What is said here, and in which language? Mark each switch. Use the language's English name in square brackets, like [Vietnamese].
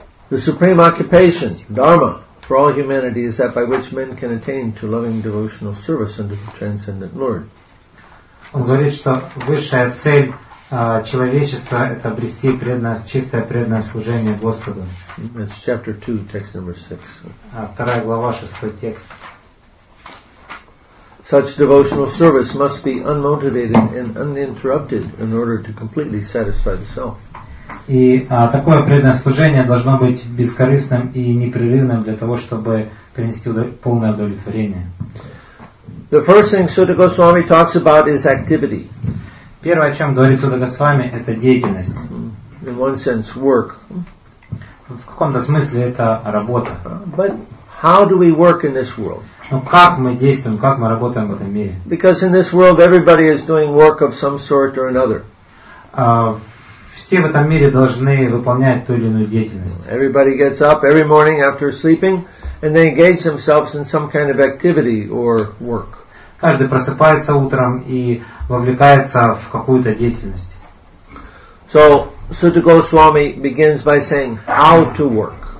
[English] The supreme occupation, dharma, for all humanity is that by which men can attain to loving devotional service unto the transcendent Lord. [Russian] Он говорит, что высшая цель человечества – это обрести чистое преданное служение Господу. [English] That's chapter 2, text number 6. [Russian] Вторая глава, шестой текст. [English] Such devotional service must be unmotivated and uninterrupted in order to completely satisfy the self. [Russian] И такое преданное служение должно быть бескорыстным и непрерывным для того, чтобы принести полное удовлетворение. [English] The first thing Sutta Goswami talks about is activity. [Russian] Первое, о чем говорит Сутта Госвами, это деятельность. [English] In one sense, work. [Russian] В каком-то смысле это работа. [English] But how do we work in this world? [Russian] Но как мы действуем, как мы работаем в этом мире? [English] Because in this world everybody is doing work of some sort or another. [Russian] Все в этом мире должны выполнять ту или иную деятельность. [English] Everybody gets up every morning after sleeping and they engage themselves in some kind of activity or work. [Russian] Каждый просыпается утром и вовлекается в какую-то деятельность. [English] So Sutta Goswami begins by saying how to work.